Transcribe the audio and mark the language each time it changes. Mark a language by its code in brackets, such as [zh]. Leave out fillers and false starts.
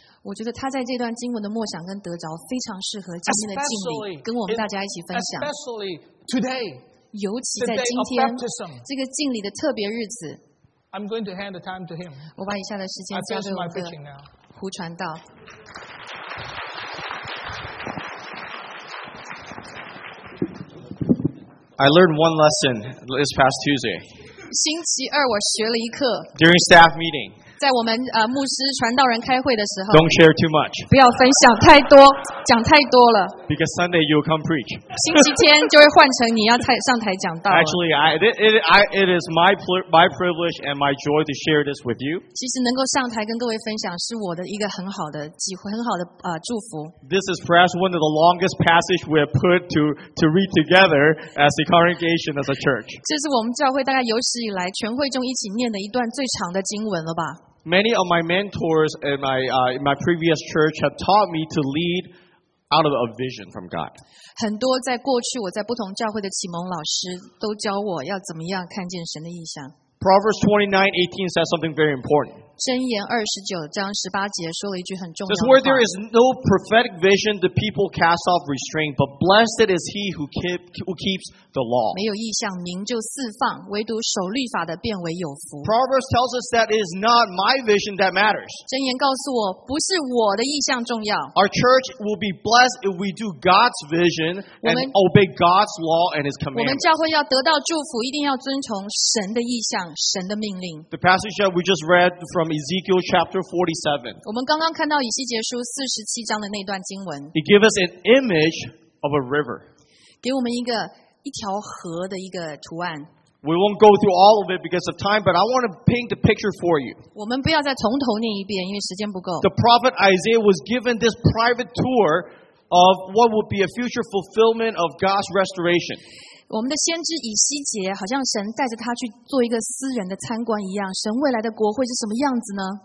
[zh] 我觉得他在这段经文的默想跟得着非常适合今天的敬礼，跟我们大家一起分享。 [en] Especially today, [zh] 尤其在今天这个敬礼的特别日子。 [en] I'm going to hand the time to him. [zh] 我把以下的时间交给我们的胡传道。 [en] I learned one lesson this past Tuesday. [zh] 星期二我学了一课。 [en] During staff meeting, [zh] 在我们牧师传道人开会的时候。 [en] Don't share too much. [zh] 不要分享太多，讲太多了。 [en] Because Sunday you'll come preach. [zh] 星期天就会换成你要上台讲道了。 [en] Actually, it is my privilege and my joy to share this with you. [zh] 其实能够上台跟各位分享是我的一个很好的机会，很好的祝福。 [en] This is perhaps one of the longest passages we have put to read together as a congregation, as a church. [zh] 这是我们教会大概有史以来全会众一起念的一段最长的经文了吧。 [en] Many of my mentors in my previous church have taught me to lead out of a vision from God. [zh] 很多在过去我在不同教会的启蒙老师都教我要怎么样看见神的意象。 [en] Proverbs 29:18 says something very important. [zh] 箴言29:18说了一句很重要的话。 [en] Where there is no prophetic vision, the people cast off restraint, but blessed is he who keeps the law. [zh] 没有意象，民就四放，唯独守律法的变为有福。 [en] Proverbs tells us that it is not my vision that matters. [zh] 箴言告诉我，不是我的意象重要。 [en] Our church will be blessed if we do God's vision and obey God's law and his commandments. [zh] 我们教会要得到祝福，一定要遵从神的意象。神的命令。 [en] The passage that we just read from Ezekiel chapter 47. [zh] 我们刚刚看到以西结书47的那段经文。 [en] It gives us an image of a river. [zh] 给我们一条河的一个图案。 [en] We won't go through all of it because of time, but I want to paint the picture for you. [zh] 我们不要再从头念一遍，因为时间不够。 [en] The prophet Isaiah was given this private tour of what would be a future fulfillment of God's restoration. [zh] 我们的先知以西结好像神带着他去做一个私人的参观一样，神未来的国会是什么样子呢？